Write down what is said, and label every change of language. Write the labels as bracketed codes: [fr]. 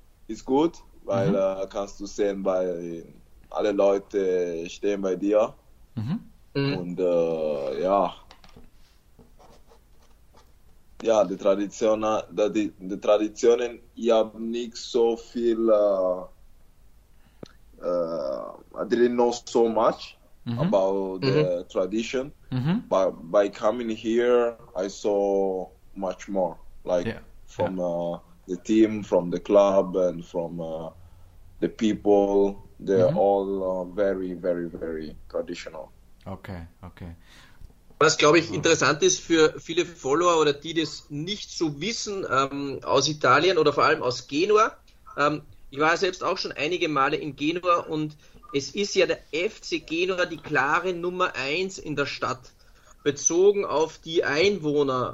[de] Ist gut, weil kannst du sehen, weil alle Leute stehen bei dir. Und ja. Ja, die Traditionen, ich habe nicht so viel. [en] I didn't know so much about the tradition. But by coming here, I saw much more. Like from. The team from the club and from the people, they're all very, very, very traditional. Okay. [de] Was, glaube ich, Also. interessant ist für viele Follower oder die das nicht so wissen, aus Italien oder vor allem aus Genua, Ich war selbst auch schon einige Male in Genua und es ist ja der FC Genua die klare Nummer 1 in der Stadt, bezogen auf die Einwohner.